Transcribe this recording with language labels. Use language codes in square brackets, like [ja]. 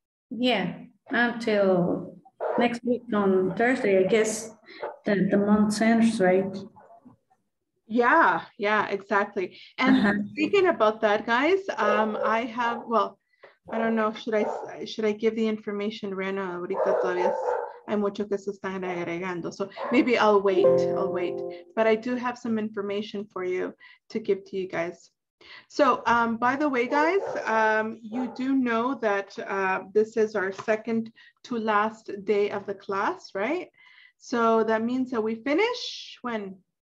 [en] Yeah. Until next week on Thursday, I guess the month ends, right? Yeah, exactly. And speaking about that, guys, I don't know, should I give the information right now? [es] Ahorita todavía hay mucho que se están agregando. [en] So maybe I'll wait. But I do have some information for you to give to you guys. So by the way, guys, you do know that this is our second to last day of the class, right? So that means that we finish when?